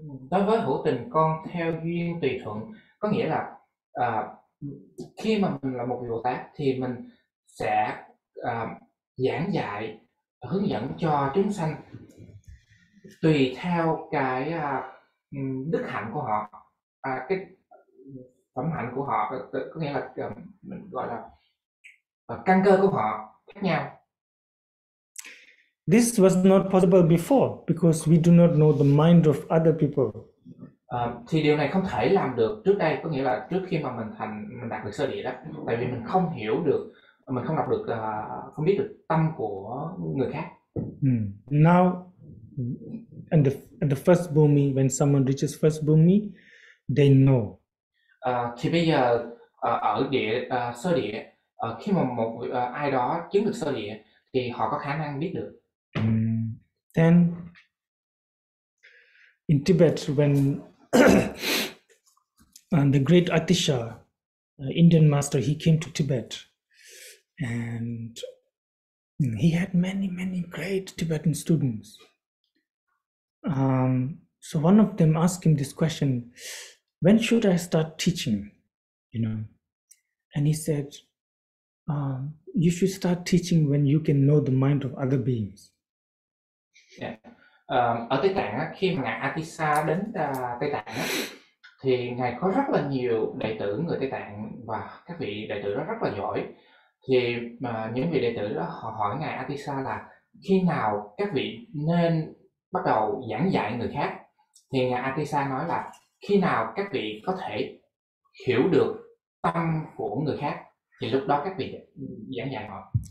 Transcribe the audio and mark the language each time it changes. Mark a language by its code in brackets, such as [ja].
[vi] Đối với hữu tình con theo duyên tùy thuận, có nghĩa là khi mà mình là một vị Bồ Tát thì mình sẽ giảng dạy hướng dẫn cho chúng sanh tùy theo cái đức hạnh của họ, cái phẩm hạnh của họ, có nghĩa là mình gọi là căn cơ của họ khác nhau. [en] This was not possible before because we do not know the mind of other people. [vi] Thì điều này không thể làm được trước đây, có nghĩa là trước khi mà mình đạt được sơ địa đó, tại vì mình không hiểu được mình không đọc được, không biết được tâm của người khác. [en] Now, in the first bhumi, when someone reaches first bhumi, they know. [vi] Thì bây giờ ở địa sơ địa, khi mà một ai đó chứng được sơ địa, thì họ có khả năng biết được. [en] Then, in Tibet, when and the great Atisha, Indian master, he came to Tibet, and he had many, many great Tibetan students. So one of them asked him this question, when should I start teaching, you know? And he said, you should start teaching when you can know the mind of other beings. [vi] Ở Tây Tạng á, khi mà ngài Atisa đến Tây Tạng á, thì ngài có rất là nhiều đệ tử người Tây Tạng và các vị đệ tử đó rất là giỏi. Thì những vị đệ tử đó họ hỏi ngài Atisa là khi nào các vị nên bắt đầu giảng dạy người khác, thì ngài Atisa nói là khi nào các vị có thể hiểu được tâm của người khác thì lúc đó các vị giảng dạy họ.